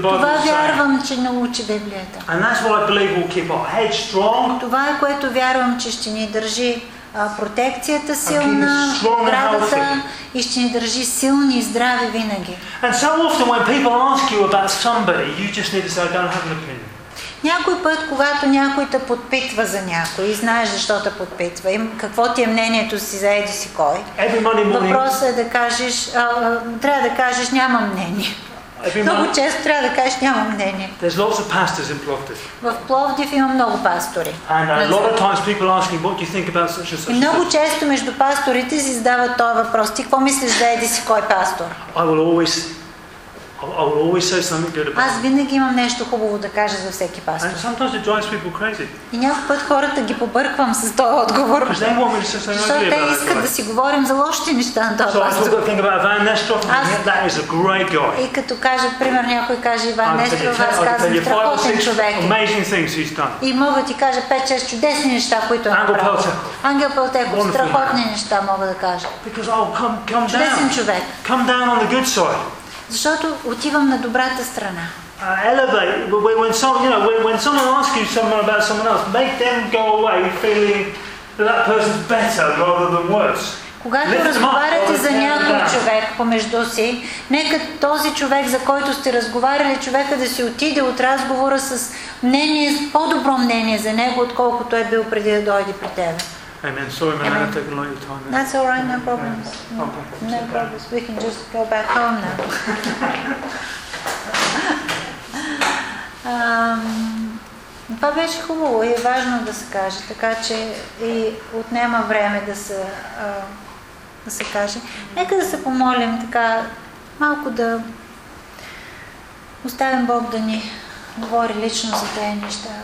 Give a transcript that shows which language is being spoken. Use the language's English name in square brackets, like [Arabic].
[Bulgarian] това вярвам, че научи Библията. [English] And that's what I believe will keep our head strong. [Bulgarian] Това е, което вярвам, че ще ни държи протекцията силна, градата, и ще ни държи силни и здрави винаги. [English] And so often when people ask you about somebody, you just need to say, I don't have an opinion. [Bulgarian] Някой път, когато някой те подпитва за някой и знаеш защо те подпитва, какво ти е мнението си за еди си кой, въпросът е да кажеш, трябва да кажеш, нямам мнение. Много често трябва да кажеш, нямам мнение. [English] There's lots of pastors in Plovdiv. [Bulgarian] В Пловдив има много пастори. [English] And a lot of times people ask me, what do you think about such and such? [Bulgarian] И много често между пасторите си задават този въпрос, ти какво мислиш за еди си кой пастор? [English] I will always I'll always say something good about. [Bulgarian] Аз винаги имам нещо хубаво да кажа за всеки пастор. [English] And sometimes it drives people crazy. [Bulgarian] И някой път хората ги побърквам с този отговор. Защото те искат да си говорим за лошите неща на този пастор. [English] So I thought think about Ivan Nestrov. That is a great guy. [Bulgarian] И като каже, пример, някой каже Иван Нестров, аз казвам, страхотен човек. [English] Amazing things he's done. [Bulgarian] И мога ти кажа 5-6 чудесни неща, които е направил. Ангел Пълтеков, страхотни неща мога да кажа. [English] Because I'll come down. [Bulgarian] Чудесен човек. [English] Come down on the good side. [Bulgarian] Защото отивам на добрата страна. [English] Elevate, when someone, you know, when someone asks you something about someone else, make them go away feeling that person's better rather than worse. [Bulgarian] Когато разговаряте за някой човек помежду си, нека този човек, за който сте разговаряли, човека да си отиде от разговора с мнение, по-добро мнение за него, отколкото е бил преди да дойде при теб. [English] Amen. Sorry, man. I've taken a lot of your time. That's all right. No problems. No problems. We can just go back home now. [Bulgarian] Това беше хубаво и е важно да се каже, така че и отнема време да се да се каже. Нека да се помолим така малко да оставим Бог да ни говори лично за тези неща.